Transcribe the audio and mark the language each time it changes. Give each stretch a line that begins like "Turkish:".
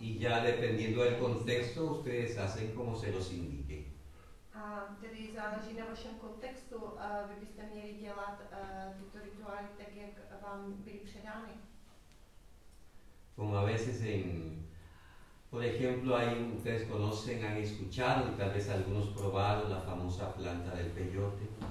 Spanish: Y ya dependiendo del contexto, ustedes hacen como se los indique.
Czech: A tedy záleží na vašem kontextu, vy byste měli dělat tyto rituály tak, jak vám byly předány.
Spanish: Como a veces en... Por ejemplo, ahí ustedes conocen, han escuchado y tal vez algunos probaron la famosa planta del peyote.